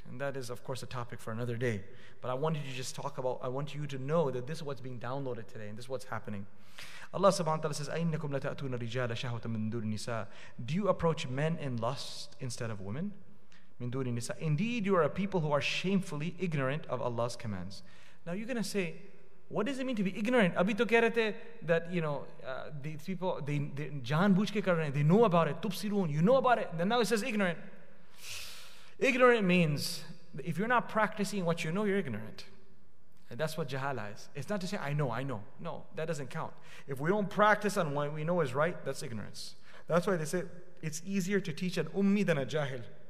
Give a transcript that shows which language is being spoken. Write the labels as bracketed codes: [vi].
[en] And that is, of course, a topic for another day. But I want you to know that this is what's being downloaded today and this is what's happening. Allah subhanahu wa ta'ala says, [ar] أَيْنَّكُمْ لَتَأْتُونَ رِجَالَ شَهْوَةً مِنْ دُونِ النِّسَاءِ. [en] Do you approach men in lust instead of women? Indeed, you are a people who are shamefully ignorant of Allah's commands. Now you're gonna say, what does it mean to be ignorant? [ur] ابھی تو کہہ رہے تھے [en] that, you know, these people they [ur] جان بوجھ کے کر رہے ہیں, [en] they know about it. Tubsirun, you know about it. Then now it says ignorant. Ignorant means if you're not practicing what you know, you're ignorant. And that's what jahala is. It's not to say I know. No, that doesn't count. If we don't practice on what we know is right, that's ignorance. That's why they say it's easier to teach an ummi than a jahil.